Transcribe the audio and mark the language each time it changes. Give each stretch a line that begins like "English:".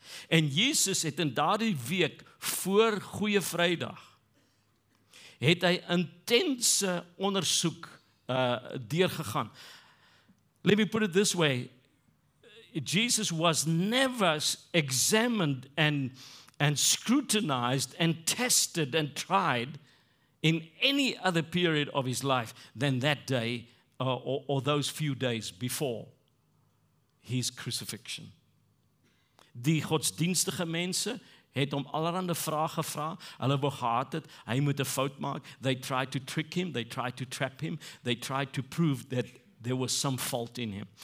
Afrikaans: En Jesus het in daardie week, voor Goeie Vrydag, het hy intense ondersoek deurgegaan.
English: Let me put it this way. Jesus was never examined and scrutinized and tested and tried in any other period of his life than that day or those few days before his crucifixion.
Afrikaans: Die godsdienstige mense het hom allerhande vrae gevra. Hulle wou gehad het, hy moet 'n fout maak.
English: They tried to trick him, they tried to trap him, they tried to prove that there was some fault in him.